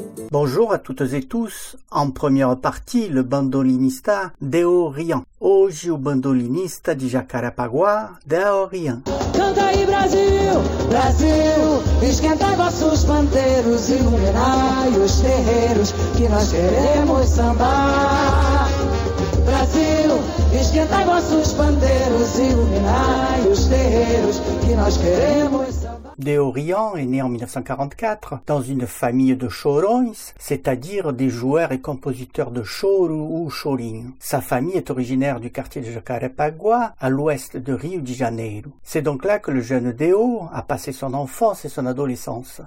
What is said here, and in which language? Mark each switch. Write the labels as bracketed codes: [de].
[fr] Bonjour à toutes et tous. En première partie, le bandolinista Deo Rian. [pt] Hoje, o bandolinista de Jacarepaguá, Deo Rian. Canta aí, Brasil, Brasil, esquenta vossos pandeiros, iluminai os terreiros que nós queremos sambar. Brasil, esquenta vossos pandeiros, iluminai os terreiros que nós queremos sambar. [fr] Deo Rian est né en 1944 dans une famille de chorões, c'est-à-dire des joueurs et compositeurs de choro ou chorinho. Sa famille est originaire du quartier de Jacarepaguá, à l'ouest de Rio de Janeiro. C'est donc là que le jeune Deo a passé son enfance et son adolescence.